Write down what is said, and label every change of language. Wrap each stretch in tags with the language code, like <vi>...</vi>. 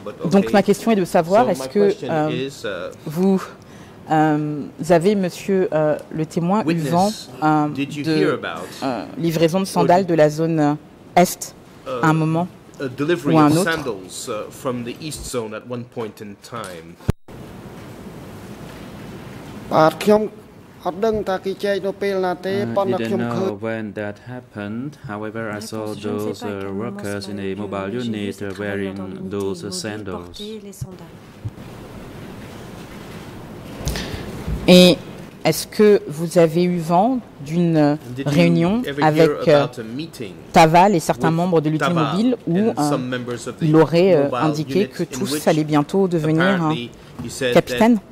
<fr>Donc ma question est de savoir, est-ce que vous... Vous avez, monsieur le témoin, eu vent de livraison de sandales de la zone Est à un moment ou à un autre.</fr> <en>Sandals, from the East Zone at one point in time. I didn't know when that happened. However, I saw those workers in a mobile unit wearing those sandals.</en> <fr>Et Est-ce que vous avez eu vent d'une réunion avec Taval et certains membres de l'UT Mobile où il aurait indiqué que tous allaient bientôt devenir capitaine?</fr>